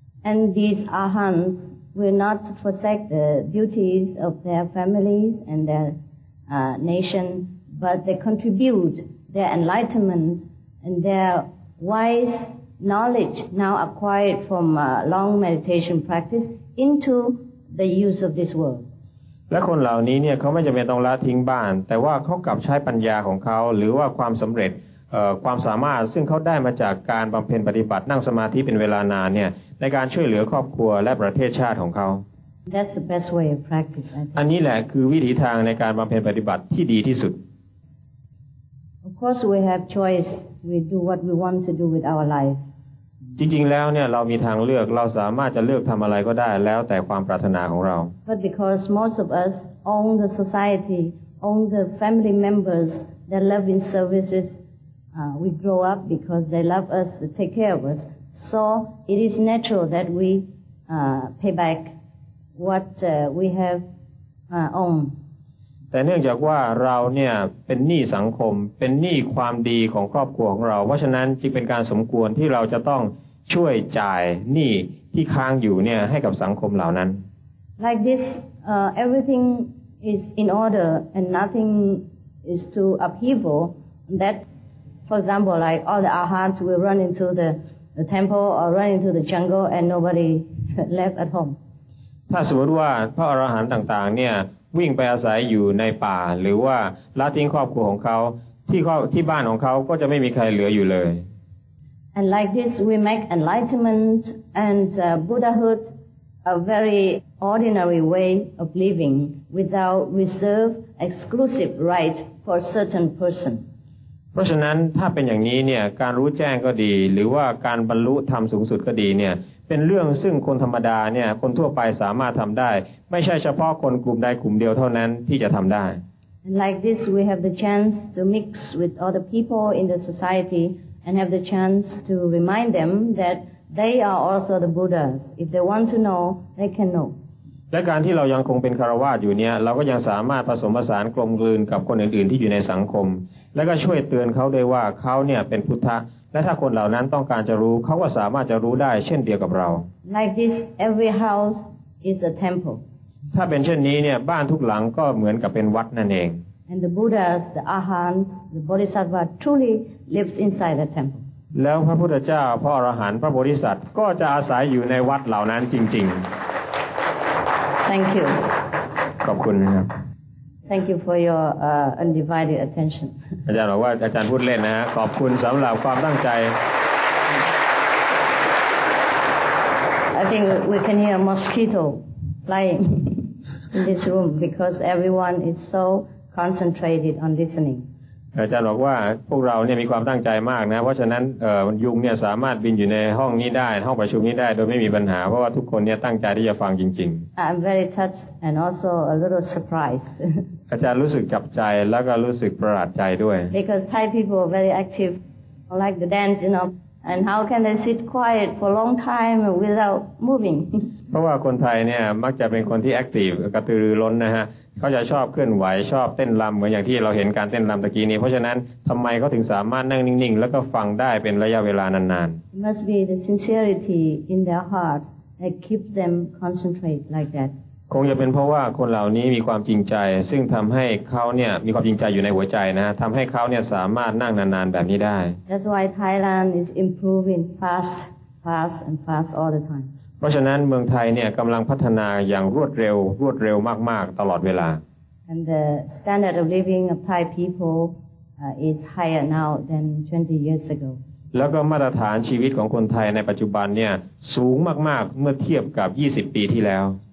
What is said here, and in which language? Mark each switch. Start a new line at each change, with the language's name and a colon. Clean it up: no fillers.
English: and these arhants will not forsake the duties of their families and theirnation, but they contribute their enlightenment and their wise knowledge now acquired from long meditation practice into the use of this world.
Thai: และคนเหล่านี้เนี่ยเขาไม่จำเป็นต้องละทิ้งบ้านแต่ว่าเขากลับใช้ปัญญาของเขาหรือว่าความสำเร็จความสามารถซึ่งเขาได้มาจากการบำเพ็ญปฏิบัตินั่งสมาธิเป็นเวลานานเนี่ยในการช่วยเหลือครอบครัวและประเทศชาติของเขา
English: That's the best way of practice, I think.
Thai: อันนี้แหละคือวิธีทางในการบำเพ็ญปฏิบัติที่ดีที่สุด
English: Of course, we have choice. We do what we want to do with our life.
Thai: จริงๆแล้วเนี่ยเรามีทางเลือกเราสามารถจะเลือกทำอะไรก็ได้แล้วแต่ความปรารถนาของเรา
English: But because most of us own the society, own the family members that love in services, we grow up because they love us, they take care of us. So it is natural that we pay back. What we have owned.
Thai: แต่เนื่องจากว่าเราเนี่ยเป็นหนี้สังคมเป็นหนี้ความดีของครอบครัวของเราเพราะฉะนั้นจึงเป็นการสมควรที่เราจะต้องช่วยจ่ายหนี้ที่ค้างอยู่เนี่ยให้กับสังคมเหล่านั้น
English: Like this, everything is in order and nothing is to upheaval. That, for example, like all the arhats will run into the temple or run into the jungle and nobody left at home.
Thai: ถ้าสมมติว่าพระอรหันต์ต่างๆเนี่ยวิ่งไปอาศัยอยู่ในป่าหรือว่าละทิ้งครอบครัวของเขาที่บ้านของเขาก็จะไม่มีใครเหลืออยู่เลย
English: And like this we make enlightenment and Buddhahood a very ordinary way of living without reserve exclusive right for certain person
Thai: เพ ราะฉะนั้นถ้าเป็นอย่างนี้เนี่ยการรู้แจ้งก็ดีหรือว่าการบรรลุธรรมสูงสุดก็ดีเนี่ยเป็นเรื่องซึ่งคนธรรมดาเนี่ยคนทั่วไปสามารถทำได้ไม่ใช่เฉพาะคนกลุ่มใดกลุ่มเดียวเท่านั้นที่จะทำได้
English: Like this we have the chance to mix with other people in the society and have the chance to remind them that they are also the Buddhas if they want to know they can know
Thai: และการที่เรายังคงเป็นคารวาสอยู่เนี่ยเราก็ยังสามารถผสมผสานกลมกลืนกับคนอื่นๆที่อยู่ในสังคมแล้วก็ช่วยเตือนเขาด้วยว่าเขาเนี่ยเป็นพุทธะและถ้าคนเหล่านั้นต้องการจะรู้เขาก็สามารถจะรู้ได้เช่นเดียวกับเรา
English: Like this every house is a temple
Thai: ถ้าเป็นเช่นนี้เนี่ยบ้านทุกหลังก็เหมือนกับเป็นวัดนั่นเอง
English: And the Buddhas the Arhants the Bodhisattva truly lives inside the temple
Thai: แล้วพระพุทธเจ้าพระอรหันต์พระโพธิสัตว์ก็จะอาศัยอยู่ในวัดเหล่านั้นจริงๆ
English: Thank you.
Thai: ขอบคุณนะครับ
English: Thank you for your undivided attention.
Thai: อาจารย์บอกว่าอาจารย์พูดเล่นนะฮะขอบคุณสำหรับความตั้งใจ
English: I think we can hear a mosquito flying in this room because everyone is so concentrated on listening.
Thai: อาจารย์บอกว่าพวกเราเนี่ยมีความตั้งใจมากนะเพราะฉะนั้นยุงเนี่ยสามารถบินอยู่ในห้องนี้ได้ห้องประชุมนี้ได้โดยไม่มีปัญหาเพราะว่าทุกคนเนี่ยตั้งใจที่จะฟังจริง
English: ๆ I'm very touched and also a little surprised
Thai: อาจารย์รู้สึกจับใจแล้วก็รู้สึกประหลาดใจด้วย
English: Because Thai people are very active like the dance you know and how can they sit quiet for a long time without moving
Thai: เพราะว่าคนไทยเนี่ยมักจะเป็นคนที่ active กระตือรือร้นนะฮะเขาจะชอบเคลื่อนไหวชอบเต้นรำเหมือนอย่างที่เราเห็นการเต้นรำตะกี้นี้เพราะฉะนั้นทำไมเขาถึงสามารถนั่งนิ่งๆแล้วก็ฟังได้เป็นระยะเวลานาน
English: ๆ Must be the sincerity in their heart that keeps them concentrate like that
Thai: คงจะเป็นเพราะว่าคนเหล่านี้มีความจริงใจซึ่งทำให้เขาเนี่ยมีความจริงใจอยู่ในหัวใจนะทำให้เขาเนี่ยสามารถนั่งนานๆแบบนี้ได้
English: That's why Thailand is improving fast fast and fast all the time
Thai: เพราะฉะนั้นเมืองไทยเนี่ยกำลังพัฒนาอย่างรวดเร็วรวดเร็วมากๆตลอดเวลา
English: And the standard of living of Thai people is higher now than 20 years ago
Thai: แล้วก็มาตรฐานชีวิตของคนไทยในปัจจุบันเนี่ยสูงมากๆเมื่อเทียบกับ20ปีที่แล้ว